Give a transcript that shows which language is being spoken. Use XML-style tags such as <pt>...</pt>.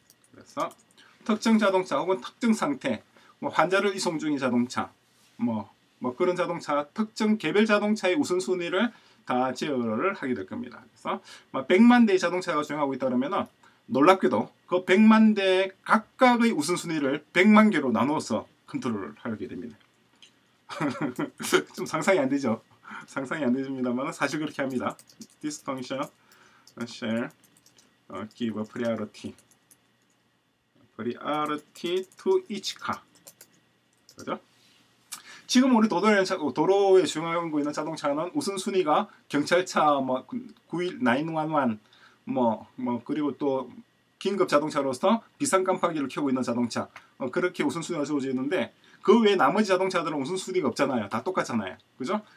<ko>그래서 특정 자동차 혹은 특정 상태, 뭐 환자를 이송 중인 자동차, 뭐 그런 자동차, 특정 개별 자동차의 우선순위를 다 제어를 하게 될 겁니다. 그래서 100만 대의 자동차가 주행하고 있다면 놀랍게도 그 100만 대 각각의 우선순위를 100만 개로 나눠서 컨트롤을 하게 됩니다. 좀 상상이 안 되죠? 상상이 안 되십니다만 사실 그렇게 합니다.</ko> <en>This function shall give a priority to each car.</en> <ko>그죠? 지금 우리 도로에 주행하고 있는 자동차는 우선순위가 경찰차 뭐 911 뭐 그리고 또 긴급 자동차로서 비상 깜빡이를 켜고 있는 자동차, 그렇게 우선순위가 주어져 있는데, 그 외 나머지 자동차들은 우선순위가 없잖아요. 다 똑같잖아요. 그죠?</ko>